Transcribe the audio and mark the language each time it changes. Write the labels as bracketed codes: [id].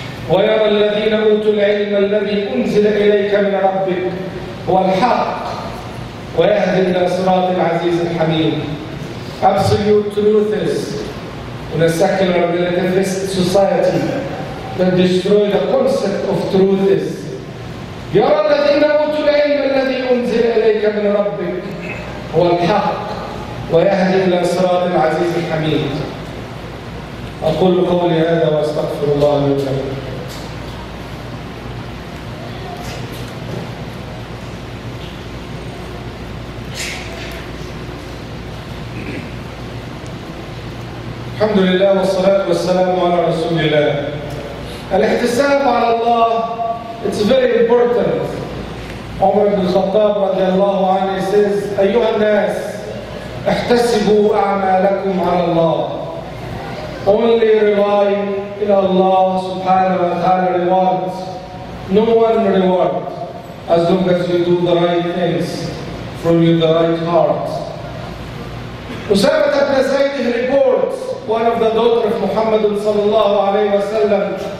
[ar] وَيَرَى الَّذِينَ أُوتُوا الْعِلْمَ الَّذِي أُنْزِلَ إِلَيْكَ مِنْ رَبِّكَ هُوَ الْحَقُّ وَيَهْدِي إِلَى صِرَاطِ الْعَزِيزِ الْحَمِيدِ. [en] Absolute truth is in a secular relativist society that destroy the concept of truth is. [ar] يَرَى الَّذِينَ أُوتُوا الْعِلْمَ الَّذِي أُنْزِلَ إِلَيْكَ مِنْ رَبِّكَ هُوَ الْحَقُّ ويهدي إلى صراط العزيز الحميد. أقول قولي هذا وأستغفر الله لي ولكم. الحمد لله والصلاة والسلام على رسول الله. الاحتساب على الله [en] it's very important. [ar] عمر بن الخطاب رضي الله عنه says أيها الناس احتسبوا أعمالكم على الله. [en] Only rely in Allah subhanahu wa ta'ala rewards. No one reward as long as you do the right things from your the right heart. Usamah ibn Zayd reports one of the daughters of Muhammad sallallahu alayhi wa sallam.